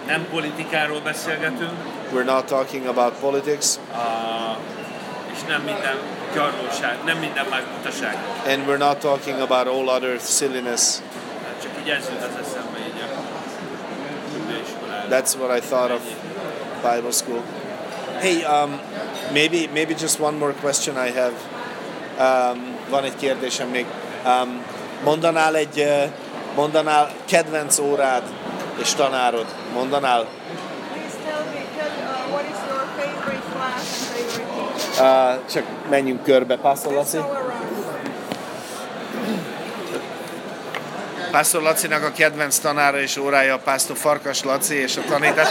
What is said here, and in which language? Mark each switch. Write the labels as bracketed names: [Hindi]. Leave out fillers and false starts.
[Hungarian] Nem politikáról beszélgetünk. [English] We're not talking about politics. [Hungarian] És nem minden gyarlóság, nem minden más butaság. [English] And we're not talking about all other silliness. [Hungarian] Csak így ez jut az eszembe, így a iskolára. [English] That's what I thought of Bible school. Hey, maybe just one more question I have. [Hungarian] Van egy kérdésem még. Mondanál egy mondanál kedvenc órád és tanárod? Mondanál? [English] Please tell me, what is your favorite class and favorite teacher? [Hungarian] Csak menjünk körbe, Pásztor Laci. Pásztor Lacinak a kedvenc tanára és órája a Pásztor Farkas Laci és a tanítás.